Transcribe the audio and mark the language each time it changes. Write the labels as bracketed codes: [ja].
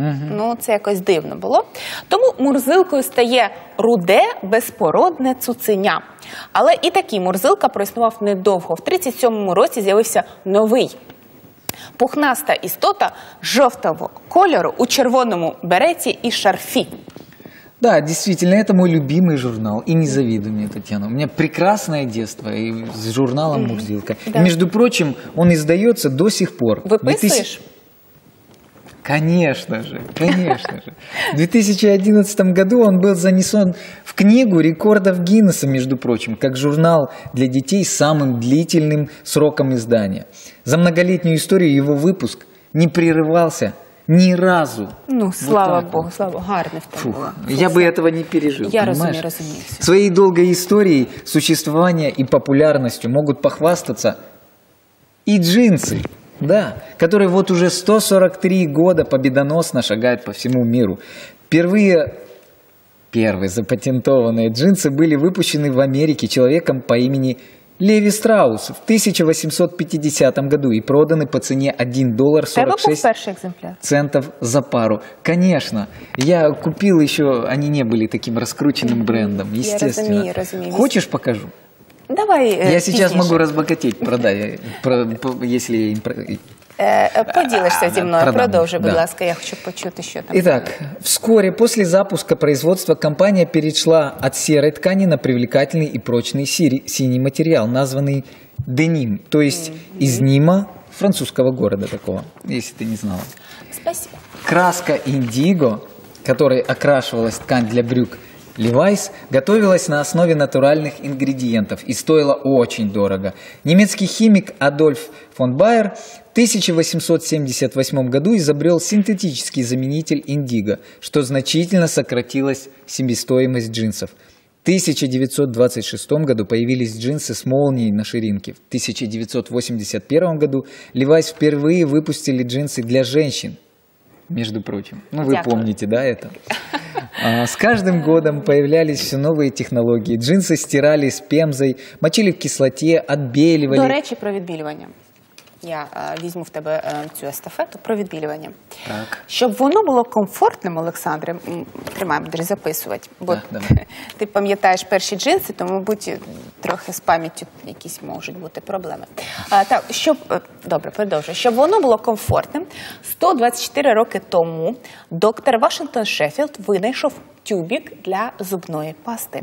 [uk] Ну, це якось дивно було. Тому Мурзилкою стає руде, безпородне цуценя. Але і такий Мурзилка проіснував недовго. В 37-му році з'явився новий. Пухнаста істота жовтого кольору у червоному береті і шарфі. [ru] Да, действительно, это мой любимый журнал. И не завидуй мне, Татьяна. У меня прекрасное детство и с журналом «Мурзилка». Да. Между прочим, он издается до сих пор. Выписываешь? Конечно же, конечно же. В 2011 году он был занесен в Книгу рекордов Гиннесса, между прочим, как журнал для детей с самым длительным сроком издания. За многолетнюю историю его выпуск не прерывался [uk] ні разу. Ну, слава Богу, слава Богу, гарне в тому. Фух, я би цього не пережив, я розумію, розумію. Своєю довгою історією, существування і популярністю можуть похвастатися і джинси, да, які от уже 143 роки побідоносно шагають по всьому світу. Перші запатентовані джинси були випущені в Америці чоловіком по імені Леві Страус в 1850 [ru] году и проданы по цене $1.46 за пару. Конечно, я купил еще, они не были таким раскрученным брендом, естественно. Я разумею, разумею. Хочешь, покажу? Давай. Я сейчас могу разбогатеть, продай, если я им... [uk] Поділишся зі мною, продовжуй, будь ласка, я хочу почути, що там. [ru] Итак, вскоре после запуска производства компания перешла от серой ткани на привлекательный и прочный синий материал, названный деним, то есть из Нима, французского города такого, если ты не знала. Спасибо. Краска индиго, которой окрашивалась ткань для брюк Levi's, готовилась на основе натуральных ингредиентов и стоила очень дорого. Немецкий химик Адольф фон Байер в 1878 году изобрел синтетический заменитель индиго, что значительно сократилась себестоимость джинсов. В 1926 году появились джинсы с молнией на ширинке. В 1981 году Levi's впервые выпустили джинсы для женщин. Между прочим, ну вы помните, да, это? С каждым годом появлялись все новые технологии. Джинсы стирали с пемзой, мочили в кислоте, отбеливали. [uk] До речи [ru] про отбеливание. [uk] Я візьму в тебе цю естафету про відбілювання. Так. Щоб воно було комфортним, Олександре, тримаємо, будеш записувати. Бо так, ти пам'ятаєш перші джинси, то, мабуть, трохи з пам'яттю якісь можуть бути проблеми. Так, щоб, добре, продовжую. Щоб воно було комфортним, 124 роки тому доктор Вашингтон Шеффілд винайшов тюбик для зубної пасти.